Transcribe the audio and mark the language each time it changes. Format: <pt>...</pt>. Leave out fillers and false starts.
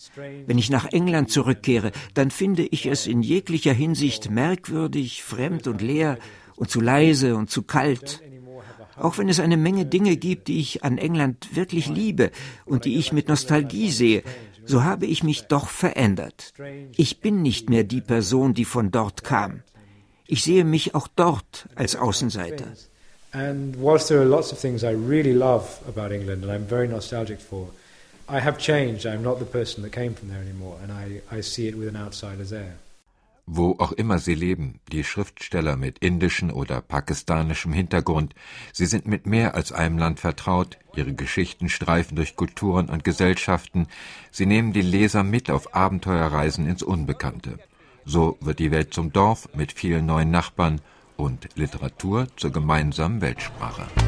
<de>Wenn ich nach England zurückkehre, dann finde ich es in jeglicher Hinsicht merkwürdig, fremd und leer und zu leise und zu kalt. Auch wenn es eine Menge Dinge gibt, die ich an England wirklich liebe und die ich mit Nostalgie sehe, so habe ich mich doch verändert. Ich bin nicht mehr die Person, die von dort kam. Ich sehe mich auch dort als Außenseiter.</de> <en>And whilst there are lots of things I really love about England and I'm very nostalgic for, I have changed. I'm not the person that came from there anymore and I see it with an outsider's air.</en> <de>Wo auch immer sie leben, die Schriftsteller mit indischem oder pakistanischem Hintergrund, sie sind mit mehr als einem Land vertraut, ihre Geschichten streifen durch Kulturen und Gesellschaften, sie nehmen die Leser mit auf Abenteuerreisen ins Unbekannte. So wird die Welt zum Dorf mit vielen neuen Nachbarn und Literatur zur gemeinsamen Weltsprache.</de>